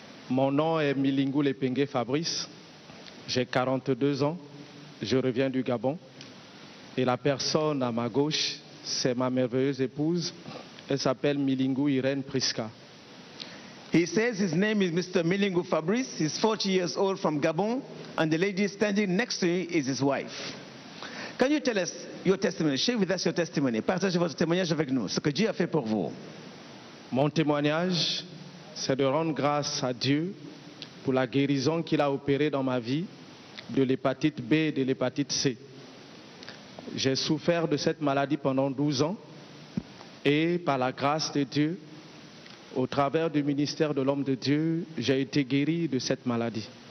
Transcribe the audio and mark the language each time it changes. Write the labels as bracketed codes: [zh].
[fr] Mon nom est Milingu Lepenge Fabrice. J'ai 42 ans. Je reviens du Gabon. Et la personne à ma gauche, c'est ma merveilleuse épouse. Elle s'appelle Milingu Irène Prisca. [en] He says his name is Mr. Milingu Fabrice. He's 40 years old from Gabon, and the lady standing next to him is his wife. Can you tell us your testimony? Share with us your testimony. [fr] Partagez votre témoignage avec nous, ce que Dieu a fait pour vous. Mon témoignage, c'est de rendre grâce à Dieu pour la guérison qu'il a opérée dans ma vie de l'hépatite B et de l'hépatite C. J'ai souffert de cette maladie pendant 12 ans et par la grâce de Dieu, au travers du ministère de l'homme de Dieu, j'ai été guéri de cette maladie.